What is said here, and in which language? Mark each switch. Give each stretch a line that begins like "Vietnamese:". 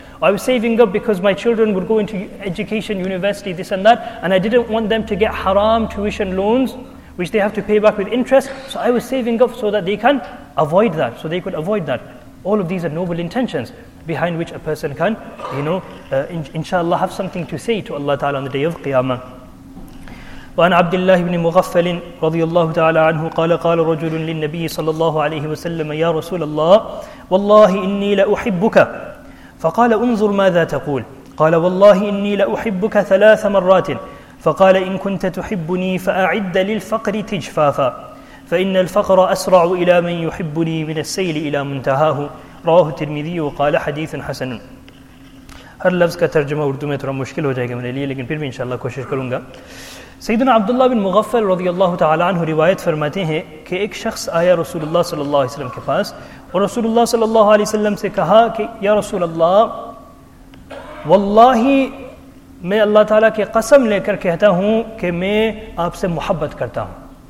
English: I was saving up because my children would go into education, university, this and that, and I didn't want them to get haram tuition loans, which they have to pay back with interest. So I was saving up so that they can avoid that, so they could avoid that. All of these are noble intentions behind which a person can, you know, inshallah, have something to say to Allah Ta'ala on the day of Qiyamah.
Arabic: وعن عبد الله بن مغفل رضي الله تعالى عنه قال قال رجل للنبي صلى الله عليه وسلم يا رسول الله والله إني لأحبك فقال انظر ماذا تقول قال والله إني لأحبك ثلاث مرات فقال إن كنت تحبني فأعد للفقر تجفافا فإن الفقر أسرع إلى من يحبني من السيل إلى منتهاه رواه الترمذي وقال حديث حسن.
Urdu: هر لفظ کا ترجمہ اردو میں تھوڑا مشکل ہو جائے گا میرے لیے لیکن پھر بھی انشاءاللہ کوشش کروں گا. سیدنا عبداللہ بن مغفل رضی اللہ تعالی عنہ روایت فرماتے ہیں کہ ایک شخص آیا رسول اللہ صلی اللہ علیہ وسلم کے پاس اور رسول اللہ صلی اللہ علیہ وسلم سے کہا کہ یا رسول اللہ واللہ میں اللہ تعالیٰ کی قسم لے کر کہتا ہوں کہ میں آپ سے محبت کرتا ہوں.